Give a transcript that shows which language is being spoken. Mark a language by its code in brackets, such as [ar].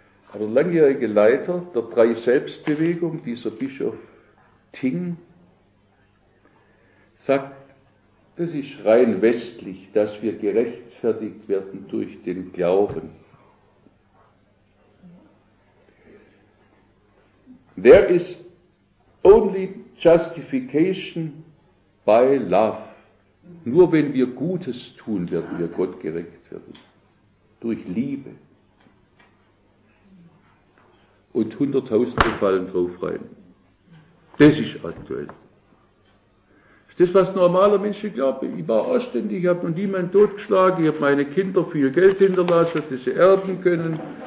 [de] Aber der langjährige Leiter der Drei-Selbst-Bewegung, dieser Bischof Ting, sagt, das ist rein westlich, dass wir gerechtfertigt werden durch den Glauben. [en] There is only justification by love. [de] Nur wenn wir Gutes tun, werden wir Gott gerecht werden. Durch Liebe. Und 100.000 fallen drauf rein. Das ist aktuell. Ist das, was normaler Menschen glauben? Ich war ausständig, ich habe noch niemanden totgeschlagen, ich habe meine Kinder viel Geld hinterlassen, dass sie erben können.